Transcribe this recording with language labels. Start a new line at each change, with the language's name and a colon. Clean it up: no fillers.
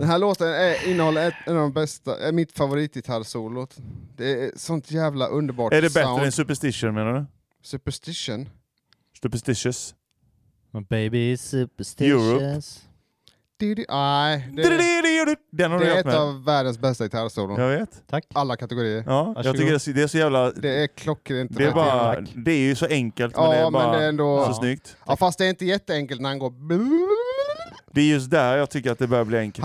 Swedish: Den här låten innehåller en av de bästa, mitt favoritgitarrsolot. Det är sånt jävla underbart sound. Är det bättre sound än Superstition menar du? Superstition? Superstitious.
English: My baby is superstitious.
Swedish: Den har det är ett med av världens bästa gitarrsolon. Jag vet. Tack. Alla kategorier. Ja, varsågod. Jag tycker det är så jävla... Det är klockrent. Det är, bara, det är ju så enkelt, ja, men det är bara det är ändå... så snyggt. Ja, fast det är inte jätteenkelt när han går... Det är just där jag tycker att det börjar bli enkelt.